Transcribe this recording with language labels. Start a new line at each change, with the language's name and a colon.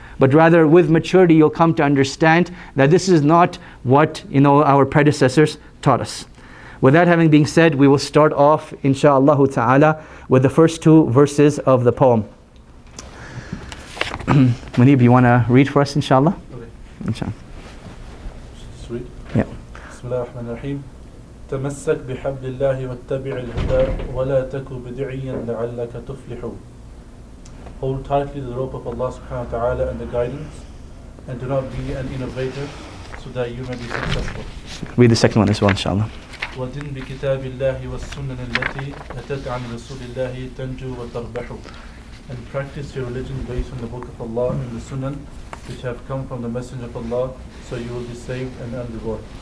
English: But rather, with maturity, you'll come to understand that this is not what, you know, our predecessors taught us. With that having been said, we will start off, insha'Allah ta'ala, with the first two verses of the poem. Muneeb, you want to read for us, insha'Allah? Okay. Insha'Allah. Sweet? Yeah. Bismillah ar-Rahman ar-Rahim.
Arabic: تمسك بحبل الله واتبع الهدى ولا تكو بدعيا لعلك تفلحو.
English: Hold tightly the rope of Allah subhanahu wa ta'ala and the guidance, and do not be an innovator so that you may be successful. Read the second one as well, inshallah.
Arabic: وَدِنْ بِكِتَابِ اللَّهِ وَالسُّنَّةِ الَّتِي أَتَتْ عَنْ رَسُولِ اللَّهِ تَنْجُو وَتَرْبَحُ.
English: And practice your religion based on the book of Allah and the Sunan, which have come from the Messenger of Allah, so you will be saved and earn reward.